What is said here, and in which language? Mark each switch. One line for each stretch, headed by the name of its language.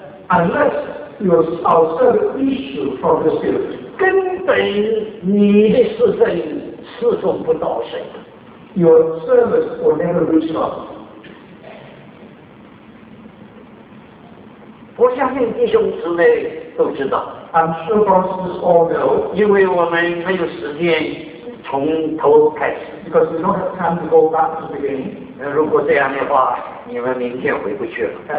English: unless your service issue from the spirit,
Chinese: 根本你的侍奉侍奉不到神。
English: Your service will never reach God.
Chinese: 我相信弟兄姊妹都知道。
English: I'm sure brothers all know.
Chinese: 因为我们没有时间从头开始。
English: Because we don't have time to go back to the beginning.
Chinese: 如果这样的话，你们明天回不去了。